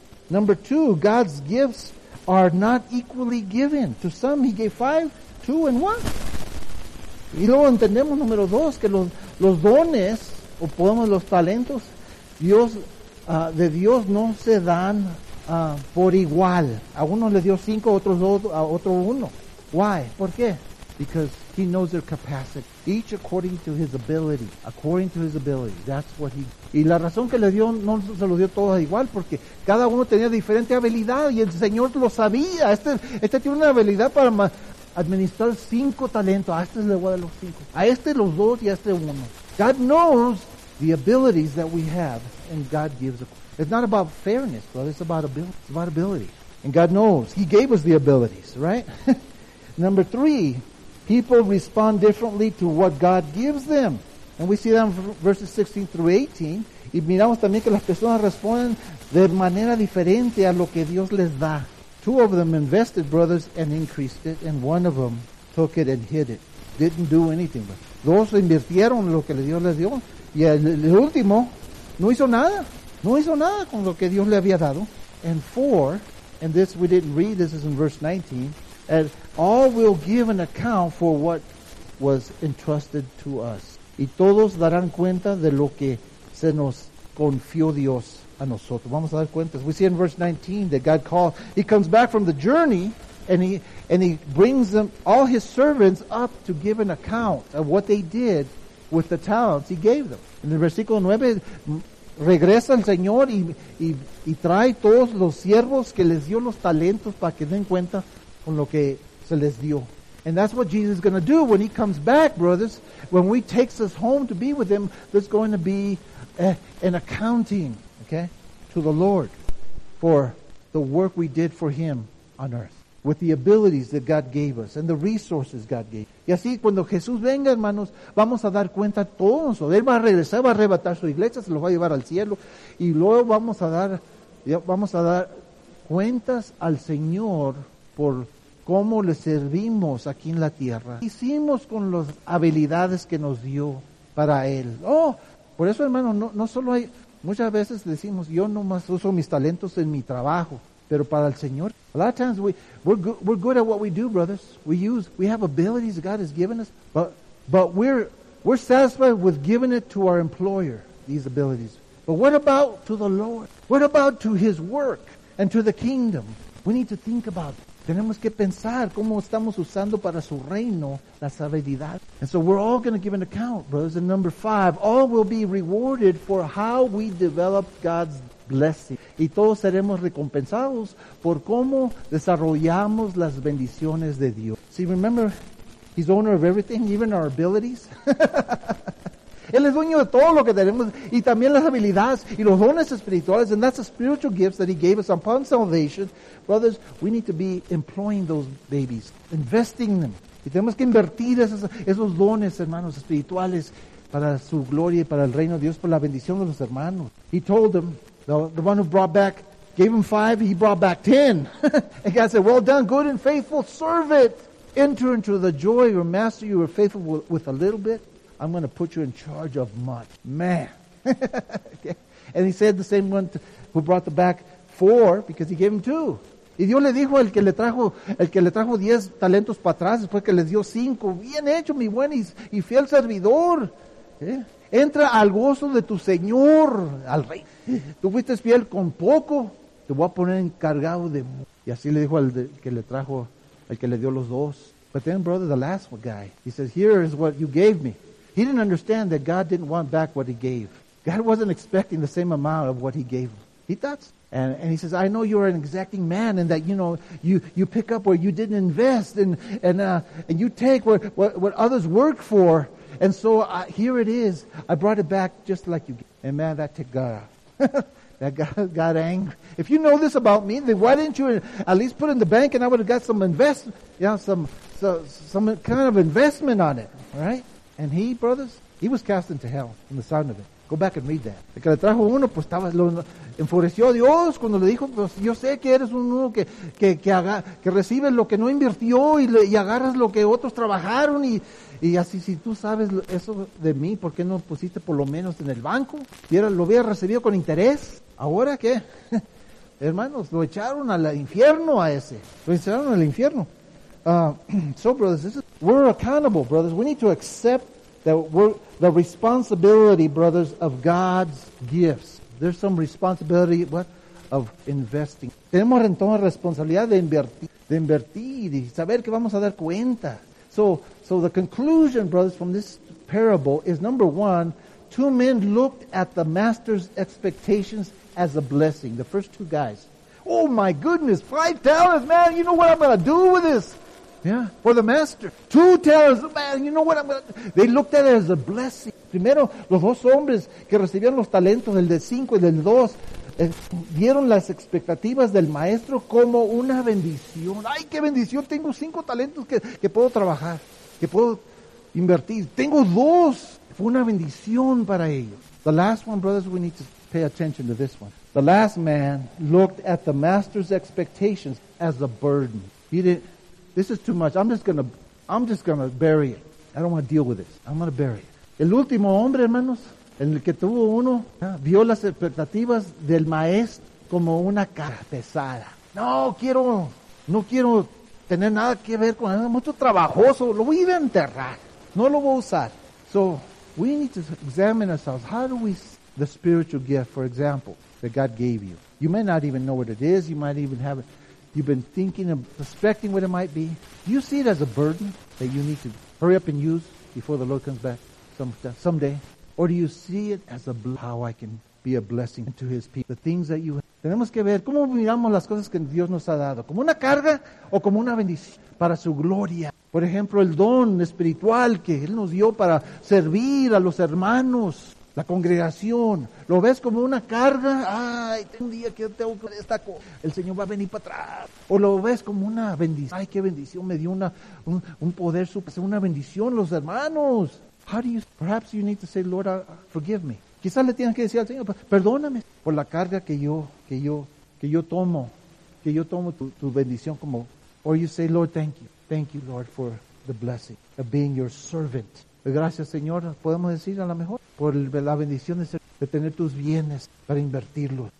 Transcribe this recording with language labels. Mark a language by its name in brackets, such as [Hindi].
[English] Number 2, God's gifts are not equally given. To some, he gave 5, 2, and 1. [Spanish] Y luego entendemos, número 2, que los dones, o podemos los talentos, Dios de Dios no se dan por igual. A uno le dio 5, a otro 2, a otro 1. [English] Why? [Spanish] ¿Por qué? [English] Because he knows their capacity, each according to his ability. According to his ability, that's what he. [Spanish] Y la razón que le dio no se lo dio todo igual, porque cada uno tenía diferente habilidad y el Señor lo sabía. Este tiene una habilidad para administrar 5 talentos. A este le voy a dar los 5. A este los 2 y a este 1. [English] God knows the abilities that we have, and God gives. It's not about fairness, but it's about ability. It's about ability, and God knows he gave us the abilities, right? Number 3. People respond differently to what God gives them. And we see that in verses 16 through 18. [Spanish] Y miramos también que las personas responden de manera diferente a lo que Dios les da. [English] 2 of them invested, brothers, and increased it. And 1 of them took it and hid it. Didn't do anything with it. [Spanish] 2 invirtieron lo que Dios les dio. Y el último no hizo nada. No hizo nada con lo que Dios le había dado. [English] And 4, and this we didn't read, this is in verse 19, and all will give an account for what was entrusted to us. [Spanish] Y todos darán cuenta de lo que se nos confió Dios a nosotros. Vamos a dar cuentas. [English] We see in verse 19 that God calls. He comes back from the journey and he brings them, all his servants, up to give an account of what they did with the talents he gave them. [Spanish] En el versículo 9, regresa el Señor y trae todos los siervos que les dio los talentos para que den cuenta con lo que se les dio. [English] And that's what Jesus is going to do when he comes back, brothers. When he takes us home to be with him, there's going to be an accounting, okay, to the Lord for the work we did for him on earth. With the abilities that God gave us and the resources God gave. [Spanish] Y así cuando Jesús venga, hermanos, vamos a dar cuenta a todos. Él va a regresar, va a arrebatar su iglesia, se lo va a llevar al cielo. Y luego vamos a dar cuentas al Señor por cómo le servimos aquí en la tierra. ¿Qué hicimos con las habilidades que nos dio para Él? Oh, por eso, hermano, no solo hay, muchas veces decimos, yo nomás uso mis talentos en mi trabajo. Pero para el Señor, [English] a lot of times we're good at what we do, brothers. We have abilities God has given us, but we're satisfied with giving it to our employer, these abilities. But what about to the Lord? What about to His work and to the kingdom? We need to think about it. [Spanish] Tenemos que pensar cómo estamos usando para su reino las habilidades. [English] And so we're all going to give an account, brothers. And number 5, all will be rewarded for how we developed God's blessing. [Spanish] Y todos seremos recompensados por cómo desarrollamos las bendiciones de Dios. [English] See, remember, He's owner of everything, even our abilities. [Spanish] Él es dueño de todo lo que tenemos, y también las habilidades y los dones espirituales, [English] and that's the spiritual gifts that He gave us upon salvation. Brothers, we need to be employing those babies, investing them. [Spanish] Y tenemos que invertir esos dones, hermanos, espirituales, para su gloria y para el reino de Dios, por la bendición de los hermanos. [English] He told them, the one who brought back, gave him 5, he brought back 10. And God said, well done, good and faithful servant. Enter into the joy of your master. You were faithful with a little bit. I'm going to put you in charge of much. Man. Okay. And he said the same one who brought the back 4, because he gave him 2. [Spanish] Y Dios le dijo al que le trajo 10 talentos para atrás, después que le dio 5. Bien hecho, mi buen y fiel servidor. ¿Eh? Entra al gozo de tu Señor, al Rey. Tú fuiste fiel con poco, te voy a poner encargado de mucho. Y así le dijo al que le dio los 2. [English] But then, brother, the last one guy, he says, here is what you gave me. He didn't understand that God didn't want back what he gave. God wasn't expecting the same amount of what he gave him. He thought. And he says, I know you're an exacting man, and that, you know, you pick up where you didn't invest, and you take what others work for. And so here it is. I brought it back just like you gave. And man, that took God. That got angry. If you know this about me, then why didn't you at least put it in the bank and I would have got some investment, you know, some kind of investment on it, right? And he, brothers, he was cast into hell from the sound of it. Go back and read that. [Spanish] El que le trajo uno, pues estaba, lo enfureció Dios cuando le dijo, pues yo sé que eres uno que recibe lo que no invirtió y agarras lo que otros trabajaron y así, si tú sabes eso de mí, ¿por qué no pusiste por lo menos en el banco? Lo había recibido con interés. ¿Ahora qué? Hermanos, lo echaron al infierno a ese. Lo echaron al infierno. [English] So, brothers, we're accountable, brothers. We need to accept that we're the responsibility, brothers, of God's gifts. There's some responsibility, what? Of investing. [Spanish] Tenemos entonces responsabilidad de invertir y saber que vamos a dar cuenta. [English] So the conclusion, brothers, from this parable is, number 1, 2 men looked at the master's expectations as a blessing. The first 2 guys. Oh my goodness, 5 talents, man, you know what I'm going to do with this? Yeah, for the master. 2 talents, man, you know what I'm going to do? They looked at it as a blessing. [Spanish] Primero, los 2 hombres que recibieron los talentos, el de 5 y el del 2, vieron las expectativas del maestro como una bendición. Ay, qué bendición, tengo 5 talentos que puedo trabajar, que puedo invertir. Tengo 2. Fue una bendición para ellos. [English] The last one, brothers, we need to pay attention to this one. The last man looked at the master's expectations as a burden. He didn't, this is too much. I'm just gonna bury it. I don't want to deal with this. I'm gonna bury it. [Spanish] El último hombre, hermanos, en el que tuvo uno, vio las expectativas del maestro como una carga pesada. No, quiero, no quiero tener nada que ver con eso. Es mucho trabajoso. Lo voy a ir a enterrar. No lo voy a usar. [English] So, we need to examine ourselves. How do we, the spiritual gift, for example, that God gave you. You may not even know what it is. You might even have it. You've been thinking and suspecting what it might be. Do you see it as a burden that you need to hurry up and use before the Lord comes back someday? Or do you see it as a how I can be a blessing to His people? The things that you have. [Spanish] Tenemos que ver cómo miramos las cosas que Dios nos ha dado. ¿Como una carga o como una bendición para su gloria? Por ejemplo, el don espiritual que Él nos dio para servir a los hermanos, la congregación. ¿Lo ves como una carga? Ay, tengo un día que tengo que esta cosa. El Señor va a venir para atrás. ¿O lo ves como una bendición? Ay, qué bendición, me dio un poder super, una bendición los hermanos. [English] How do you, perhaps you need to say, Lord, forgive me. [Spanish] Quizás le tienes que decir al Señor, perdóname por la carga que yo tomo tu bendición como. [English] Or you say, Lord, thank you. Thank you, Lord, for the blessing of being your servant. [Spanish] Gracias, Señor, podemos decir a lo mejor, por la bendición de tener tus bienes para invertirlos.